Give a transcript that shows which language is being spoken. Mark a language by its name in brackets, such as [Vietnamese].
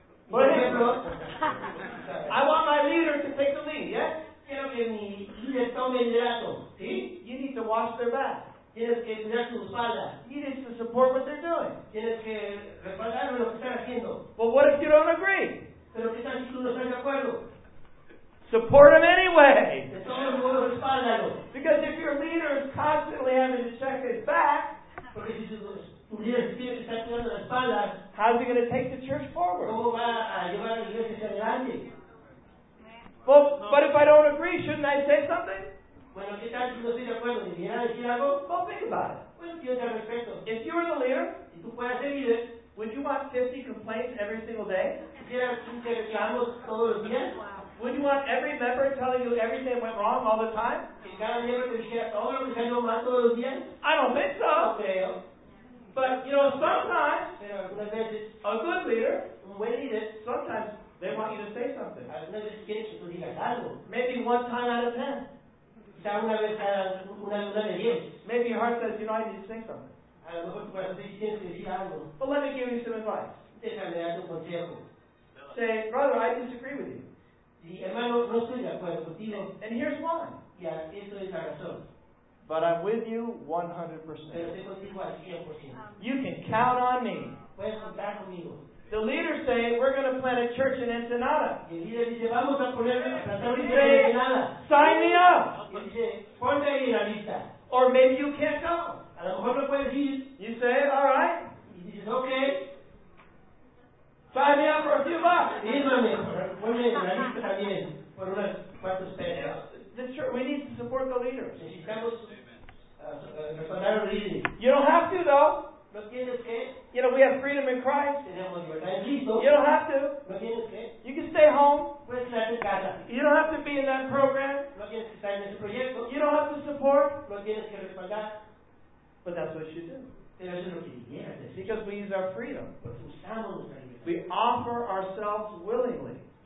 [English] For example, I want my leader to take the lead, yes? [Spanish] Quiero que mi líder tome el liderazgo. ¿Sí? [English] You need to watch their back. [Spanish] Tienes que cuidar su espalda. [English] You need to support what they're doing. [Spanish] Tienes que respaldar lo que están haciendo. [English] But what if you don't agree? [Spanish] Pero ¿qué tal si tú no estás de acuerdo? [English] Support them anyway. [Spanish] De todos modos, respáldalo. [English] Because if your leader is constantly having to check his back, [Spanish] porque si tu líder tiene que estar cuidando la espalda, [English] how's he going to take the church forward? [Spanish] ¿Cómo va a llevar la iglesia hacia adelante? [English] Well, but if I don't agree, shouldn't I say something? [Spanish] Bueno, ¿qué tal si no estoy de acuerdo? ¿Debería decir algo? [English] Well, think about it. [Spanish] Pues piensa al respecto. [English] If you were the leader, [Spanish] y tú puedes ser líder, [English] would you want 50 complaints every single day? [Spanish] ¿Quieres 50 reclamos todos los días? [English] Would you want every member telling you everything went wrong all the time? [Spanish] Cada miembro te dijera todo lo que salió mal todos los días? [English] I don't think so. Okay. But, you know, sometimes, [Spanish] pero algunas veces, [English] a good leader, [Spanish] un buen líder, [English] sometimes, they want you to say something. [Spanish] Algunas veces quieren que tú digas algo. [English] Maybe one time out of 10. [Spanish] Quizá una vez cada una de 10. [English] Maybe your heart says, you know, I need to say something. [Spanish] A lo mejor tu corazón dice, tienes que decir algo. [English] But let me give you some advice. [Spanish] Déjame darte un consejo. [English] Say, brother, I disagree with you. [Spanish] Y hermano, no estoy de acuerdo contigo. [English] And here's why. [Spanish] Y esto es la razón. [English] But I'm with you 100%. [Spanish] Pero estoy contigo al 100%. [English] You can count on me. [Spanish] Puedes contar conmigo. [English] The leaders say, we're going to plant a church in Ensenada. [Spanish] Y el líder dice, vamos a poner una [English] church [Spanish] en Ensenada. [English] Sign me up. [Spanish] Y dice, ponte ahí la lista. [English] Or maybe you can't go. [Spanish] A lo mejor no puedes ir. [English] You say, all right. [Spanish] Y dices, okay. [English] Sign me up for a few bucks. [Spanish] Dímame. Ponme la lista también. Por unas cuantos pesos. [English] We need to support the leaders. [Spanish] Necesitamos respaldar a los líderes. [English] You don't have to, though. [Spanish] No tienes que. [English] You know, we have freedom in Christ. [Spanish] Tenemos libertad en Cristo. [English] You don't have to. [Spanish] No tienes que. [English] You can stay home. [Spanish] Puedes quedarte en casa. [English] You don't have to be in that program. [Spanish] No tienes que estar en ese proyecto. [English] You don't have to support. [Spanish] No tienes que respaldar. [English] But that's what you do. [Spanish] Pero eso es lo que tienes. [English] Because we use our freedom. [Spanish] Pues usamos nuestra libertad. [English] We offer ourselves willingly.